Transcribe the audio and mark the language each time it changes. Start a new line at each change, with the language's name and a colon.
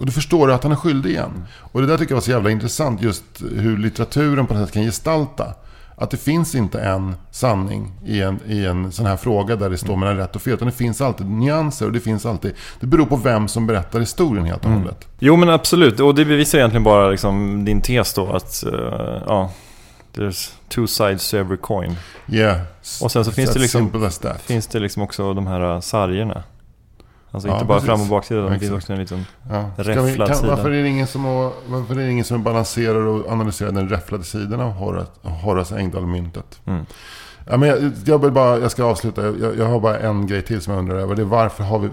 Swedish: Och du förstår att han är skyldig igen. Och det där tycker jag var så jävla intressant. Just hur litteraturen på något sätt kan gestalta. Att det finns inte en sanning i en sån här fråga där det står mellan rätt och fel. Utan det finns alltid nyanser och det finns alltid... Det beror på vem som berättar historien helt och hållet. Mm. Jo, men absolut. Och det bevisar egentligen bara liksom din tes då. Att
English: there's two sides to every coin. Yeah.
Swedish: Och sen så finns det liksom också de här sargerna. Alltså inte bara fram och baksida, det finns också en liten räfflad sida. Varför är det ingen som balanserar och analyserar den räfflade sidan av Horace Engdahl-myntet? Mm. Ja, men jag ska avsluta. Jag har bara en grej till som jag undrar över.